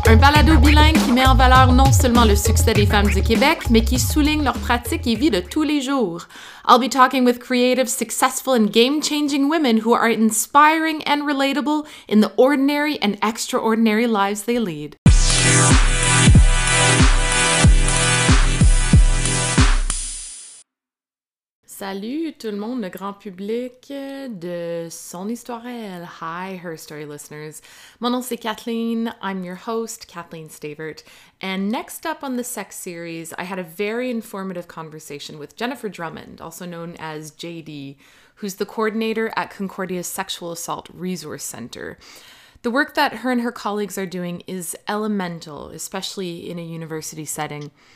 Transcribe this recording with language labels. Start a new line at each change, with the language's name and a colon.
French: Un balado bilingue qui met en valeur non seulement le succès des femmes du Québec, mais qui souligne leur pratique et vie de tous les jours.
English: I'll be talking with creative, successful, and game-changing women who are inspiring and relatable in the ordinary and extraordinary lives they lead.
French: Salut tout le monde, le grand public de Son Histoire à Elle.
English: Hi, Her Story listeners.
French: Mon nom c'est Kathleen.
English: I'm your host, Kathleen Stavert. And next up on the sex series, I had a very informative conversation with Jennifer Drummond, also known as JD, who's the coordinator at Concordia's Sexual Assault Resource Center. The work that her and her colleagues are doing is elemental, especially in a university setting.